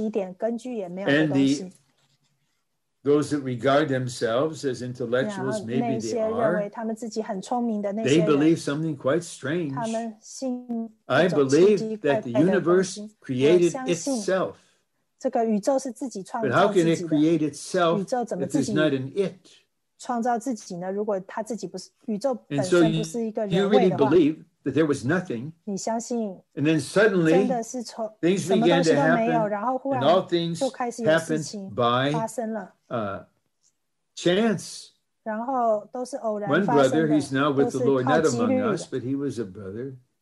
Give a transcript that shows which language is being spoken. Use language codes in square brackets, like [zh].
[en] And those that regard themselves as intellectuals, maybe they are, they believe something quite strange. I believe that the universe created itself. But how can it create itself if there's not an it? [zh] 创造自己呢, 如果他自己不是, 宇宙本身不是一个人为的话, [en] and so you really believe that there was nothing. And then suddenly, things began to happen, and all things happened by chance. One brother, he's now with the Lord, not among us, but he was a brother.